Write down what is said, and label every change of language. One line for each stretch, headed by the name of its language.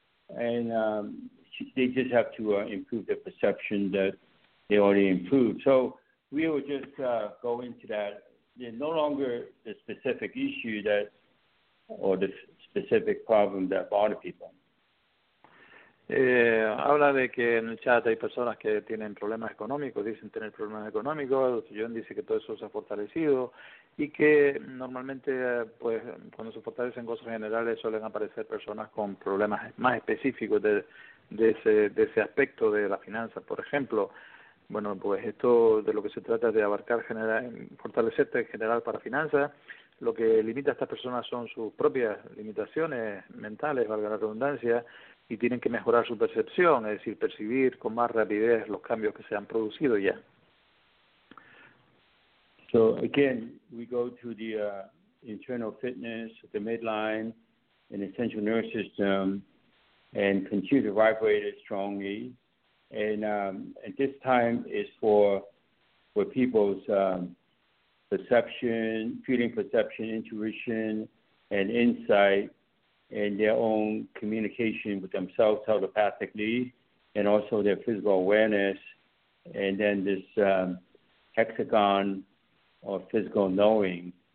English: And they just have to improve their perception that they already improved. So we will just go into that. They're no longer the specific issue that, or the specific problem that bother people.
Spanish: Habla de que en el chat hay personas que tienen problemas económicos, dicen tener problemas económicos. John dice que todo eso se ha fortalecido y que normalmente, pues, cuando se fortalecen cosas generales, suelen aparecer personas con problemas más específicos de ese aspecto de la finanza, por ejemplo. Bueno, pues esto de lo que se trata es de abarcar fortalecerte en general para finanzas. Lo que limita a estas personas son sus propias limitaciones mentales, valga la redundancia, y tienen que mejorar su percepción, es decir, percibir con más rapidez los cambios que se han producido ya.
English: So again, we go to the internal fitness, the midline, and the central nervous system, and continue to vibrate it strongly. And at this time is for people's perception, feeling perception, intuition, and insight, and their own communication with themselves telepathically, and also their physical awareness, and then this hexagon of physical knowing.